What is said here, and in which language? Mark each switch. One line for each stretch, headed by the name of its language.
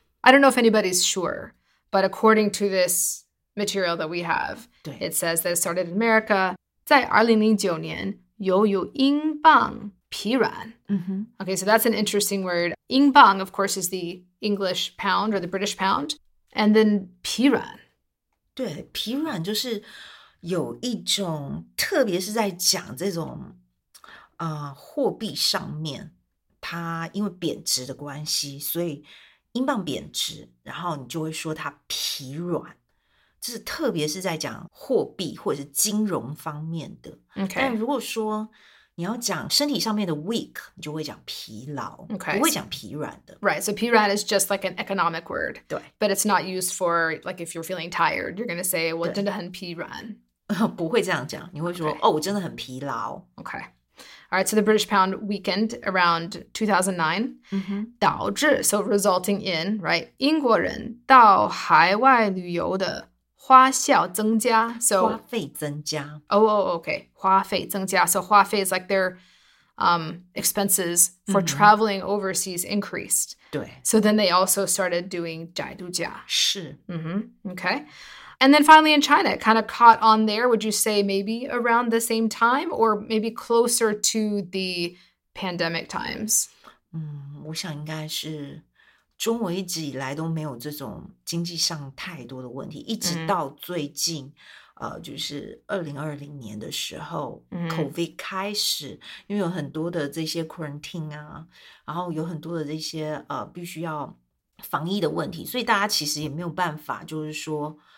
English: I don't know if anybody's sure, but according to this material that we have, it says that it started in America.
Chinese: 在2009年又有英镑疲软。
English: Okay, so that's an interesting word. 英镑, of course, is the English pound or the British pound. And then 疲软。
Chinese: 对,疲软就是有一种，特别是在讲这种货币上面，它因为贬值的关系，所以英镑贬值，然后你就会说它疲软，这是特别是在讲货币或者是金融方面的。
English: Okay.
Chinese: 但如果说你要讲身体上面的 weak, 你就会讲疲劳、
English: okay.
Chinese: 不会讲疲软的。
English: Right, so 疲软 is just like an economic word.
Chinese: 对。
English: But it's not used for, like, if you're feeling tired, you're going to say,
Chinese: 我真的很疲软。不会这样讲，你会说、okay. 哦，我真的很疲劳。
English: Okay. All right, so the British pound weakened around 2009.
Chinese: 导致,
English: so resulting in, right,
Chinese: 英国人到海外旅游的花销增加, so, 花费增加。
English: Okay.
Chinese: 花费增加,
English: so 花费 is like their expenses for traveling overseas increased.
Chinese: 对。
English: So then they also started doing 宅度假。
Chinese: 是。
English: Okay. And then finally in China, it kind of caught on there, would you say maybe around the same time or maybe closer to the pandemic times?
Chinese: 我想应该是中国一直以来都没有这种经济上太多的问题，一直到最近、就是2020年的时候、COVID 开始，因为有很多的这些 quarantine 啊，然后有很多的这些、必须要防疫的问题，所以大家其实也没有办法就是说